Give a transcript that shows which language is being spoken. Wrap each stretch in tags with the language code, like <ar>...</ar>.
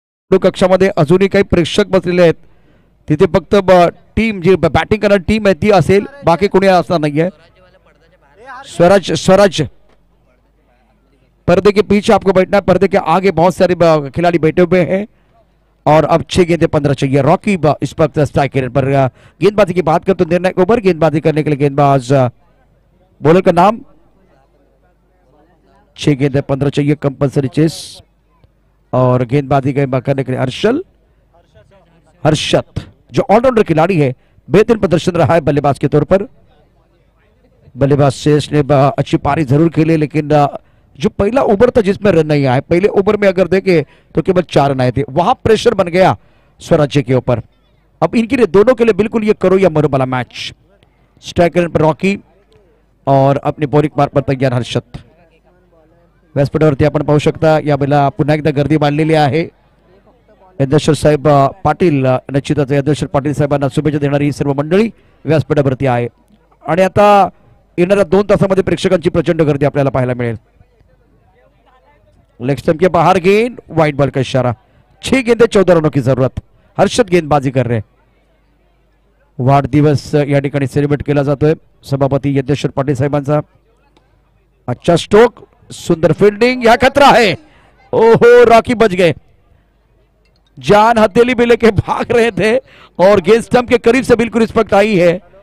<mr>कक्षामध्ये अजूनही काही प्रेक्षक बसलेले आहेत. तिथे फक्त टीम जी बॅटिंग करणार टीम आहे ती असेल, बाकी कोणी असणार नाहीये.</mr> <hi>स्वराज स्वराज पर्दे के पीछे आपको बैठना है. पर्दे के आगे बहुत सारे खिलाड़ी बैठे हुए हैं. और अब 6 गेंदें 15 चाहिए रॉकी इस वक्त स्ट्राइक रेट पर। गेंदबाजी की बात करें तो निर्णायक ओवर गेंदबाजी करने के लिए गेंदबाज बॉलर का नाम 6 गेंदें 15 चाहिए कंपल्सरी चेस और गेंदबाजी करने के लिए हर्षत जो ऑलराउंडर खिलाड़ी है बेहतरीन प्रदर्शन रहा है बल्लेबाज के तौर पर। बल्लेबाज चेस ने अच्छी पारी जरूर खेली लेकिन जो पहला ओवर था जिसमें रन नहीं आए पहले ओवर में अगर देखे तो केवल 4 रन आए थे वहां प्रेशर बन गया स्वराज्य के ऊपर। अब इनके लिए दोनों के लिए बिल्कुल ये करो या मरो वाला मैच। स्ट्राइक रन पर रॉकी और अपने बॉलिंग मार्क पर तैयार हर्षत।</hi> <mr>व्यासपीठावरती अपन पाहू शकता या वेला पुन्हा एकदा गर्दी वाढलेली आहे। यज्ञेश्वर साहेब पाटील निश्चितच यज्ञेश्वर पाटील साहेबांना शुभेच्छा देणारी सर्व मंडळी व्यासपीठावरती आहे आणि आता येणाऱ्या 2 तासांमध्ये प्रेक्षकांची प्रचंड गर्दी आपल्याला पाहायला मिळेल।</mr> <hi>लेग स्टंप के बाहर गेंद वाइट बॉल का इशारा 6 गेंदे 14 रनों की जरूरत। हर्षद गेंदबाजी कर रहे</hi> <mr>वाढदिवस या ठिकाणी सेलिब्रेट केला जातोय सभापती यज्ञेश्वर पाटील साहेबांचा।</mr> <hi>अच्छा स्ट्रोक सुंदर फील्डिंग या खतरा है। ओहो रॉकी बच गए जान हथेली भी लेके भाग रहे थे और गेंद स्टंप के करीब से बिल्कुल इस वक्त आई है।</hi>